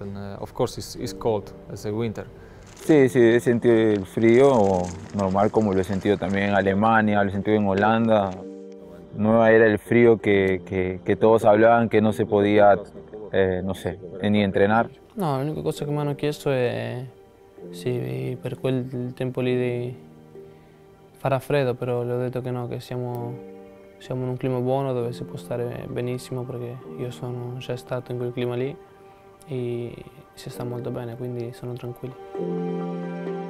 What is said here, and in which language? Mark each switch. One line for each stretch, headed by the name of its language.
English: And of course, it's cold as a winter.
Spanish: Sí, sí, he sentido el frío normal como lo he sentido también en Alemania, lo he sentido en Holanda. No era el frío que todos hablaban que no se podía, no sé, ni entrenar. No, la única cosa que me han
Italian: chiesto es sí, per quel tempo lì di farà freddo, però le ho detto che no, che siamo in un clima buono dove si può stare benissimo perché io sono già stato in quel clima lì e si sta molto bene, quindi sono tranquilli.